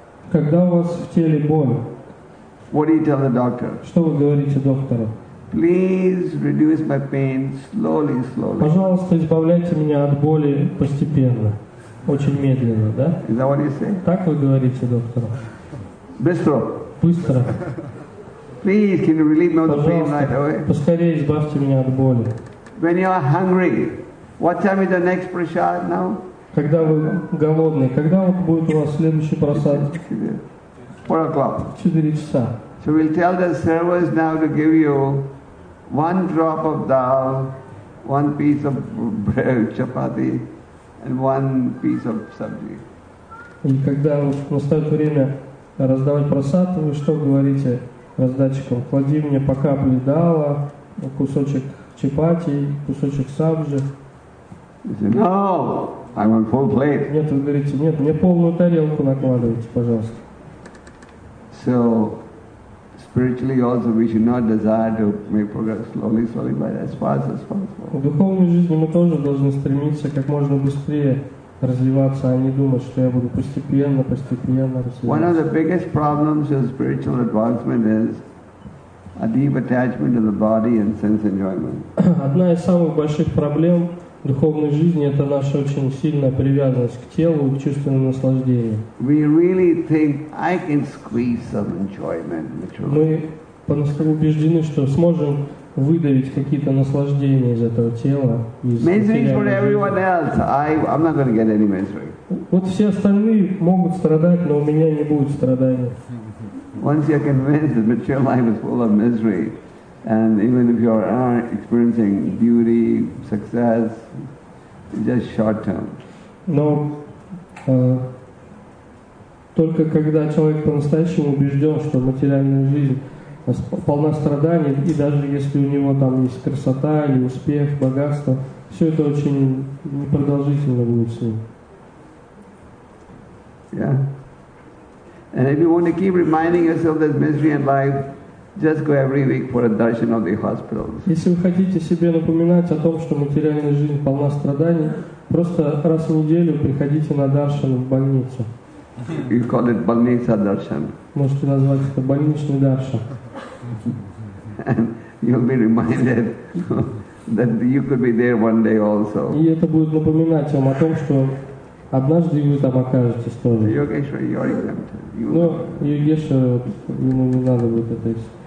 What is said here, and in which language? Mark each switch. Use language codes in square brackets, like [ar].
[ru] когда у вас в теле боль, [en] what do you tell the doctor? [ru] Что вы говорите доктору? [en] Please reduce my pain slowly, slowly. [ru] Пожалуйста, избавляйте меня от боли постепенно, очень медленно, да? [en] Is that what you say? [ru] Так вы говорите доктору? Быстро. Быстро. [en] Please, can you relieve me of the pain right away? [ru] Поскорее избавьте меня от боли. [en] When you are hungry, what time is the next prasad now? [ru] Когда вы голодный, когда вот будет у вас следующий прасад? [en] 4 o'clock. [ru] 4 часа. [en] So we'll tell the servers now to give you one drop of dal one piece of bread, chapati, and one piece of sabji. [ru] И когда настает время раздавать просад, вы что говорите раздатчикам? Клади мне по капле дала, кусочек чапати, кусочек сабжи. [en] No, I want full plate. [ru] Нет, вы говорите, нет, мне полную тарелку накладывайте, пожалуйста. [en] So, spiritually also we should not desire to make progress slowly, slowly, but as fast as possible. [ru] В духовной жизни мы тоже должны стремиться как можно быстрее развиваться, а не думать, что я буду постепенно, постепенно развиваться. [en] One of the biggest problems of spiritual advancement is a deep attachment to the body and sense enjoyment. [ru] Одна из самых больших проблем духовной жизни — это наша очень сильная привязанность к телу и к чувственным наслаждениям. [en] We really think I can squeeze some enjoyment. [ru] Мы по-настоящему убеждены, что сможем выдавить какие-то наслаждения из этого тела. [en] Misery for everyone else. I'm not going to get any misery. [ru] Вот все остальные могут страдать, но у меня не будет страданий. [en] Once you're convinced that material life is full of misery, and even if you are experiencing beauty, success, just short term. [ru] Но только когда человек по-настоящему убежден, что материальная жизнь полна страданий, и даже если у него там есть красота или успех, богатство, все это очень непродолжительно будет с ним. [en] Yeah. And if you want to keep reminding yourself there's misery in life, just go every week for a darshan of the hospitals. [ru] Если вы хотите себе напоминать о том, что материальная жизнь полна страданий, просто раз в неделю приходите на даршан в больницу. [en] You call it [ru] больница даршан. Можете назвать это больничный даршан. [en] And you'll be reminded that you could be there one day also. [ru] И это будет напоминать вам о том, что однажды вы там окажетесь тоже. [en] Йогешва, you're exempted. [ru] Ну, Йогешва, ему не надо будет это.